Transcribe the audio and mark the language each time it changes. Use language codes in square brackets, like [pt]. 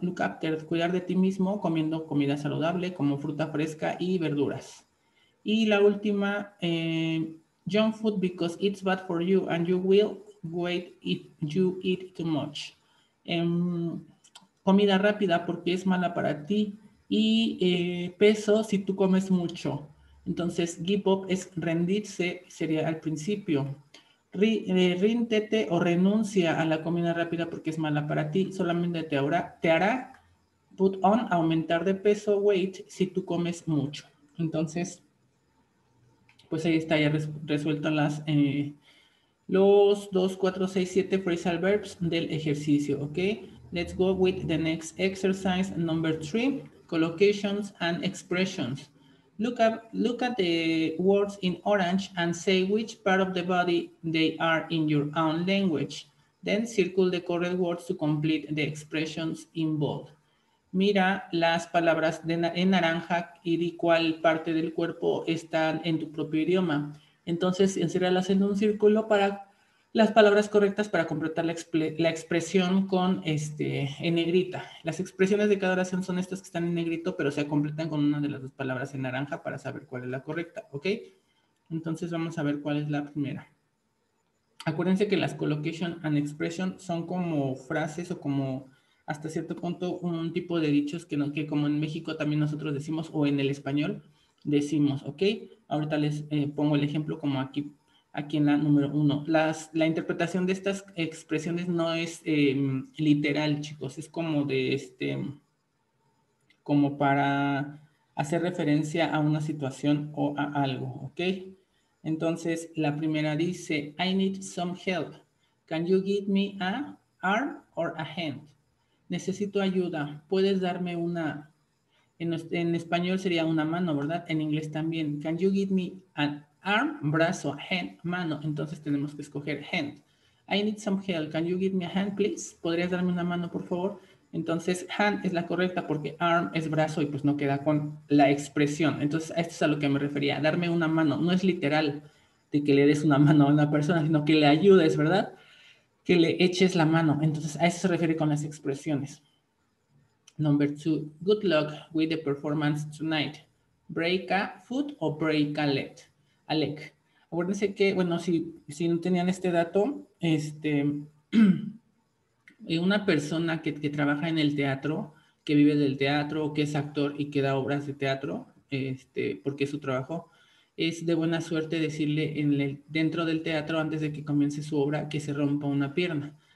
[es] Look after, cuidar de ti mismo comiendo comida saludable como fruta fresca y verduras. Y la última, [en] junk food because it's bad for you and you will wait if you eat too much. [es] Comida rápida porque es mala para ti y peso si tú comes mucho. Entonces, give up es rendirse, sería al principio. Ríndete o renuncia a la comida rápida porque es mala para ti. Solamente te hará put on, aumentar de peso, weight, si tú comes mucho. Entonces, pues ahí está ya resuelto los 2, 4, 6, 7 phrasal verbs del ejercicio, ¿ok? [en] Let's go with the next exercise, number 3, collocations and expressions. Look at the words in orange and say which part of the body they are in your own language. Then circle the correct words to complete the expressions in bold. [es] Mira las palabras en naranja y di cuál parte del cuerpo está en tu propio idioma. Entonces, enciérralas en un círculo para las palabras correctas para completar la expresión con en negrita. Las expresiones de cada oración son estas que están en negrito, pero se completan con una de las dos palabras en naranja para saber cuál es la correcta, ¿ok? Entonces vamos a ver cuál es la primera. Acuérdense que las [en] collocation and expression [es] son como frases o como hasta cierto punto un tipo de dichos que, no, que como en México también nosotros decimos o en el español decimos, ¿ok? Ahorita les pongo el ejemplo como aquí en la número uno. La interpretación de estas expresiones no es literal, chicos, es como de como para hacer referencia a una situación o a algo, ¿ok? Entonces, la primera dice, [en] I need some help. Can you give me a arm or a hand? [es] Necesito ayuda. ¿Puedes darme una? En español sería una mano, ¿verdad? En inglés también. [en] Can you give me an arm? Brazo, hand, mano. [es] Entonces tenemos que escoger [en] hand. I need some help. Can you give me a hand, please? [es] ¿Podrías darme una mano, por favor? Entonces, hand es la correcta porque arm es brazo y pues no queda con la expresión. Entonces, esto es a lo que me refería. Darme una mano. No es literal de que le des una mano a una persona, sino que le ayudes, ¿verdad? Que le eches la mano. Entonces, a eso se refiere con las expresiones. [en] Number two, good luck with the performance tonight. Break a foot o break a leg. A leg. [es] Acuérdense que, bueno, si no tenían este dato, una persona que trabaja en el teatro, que vive del teatro, que es actor y que da obras de teatro, porque es su trabajo, es de buena suerte decirle dentro del teatro, antes de que comience su obra, que se rompa una pierna.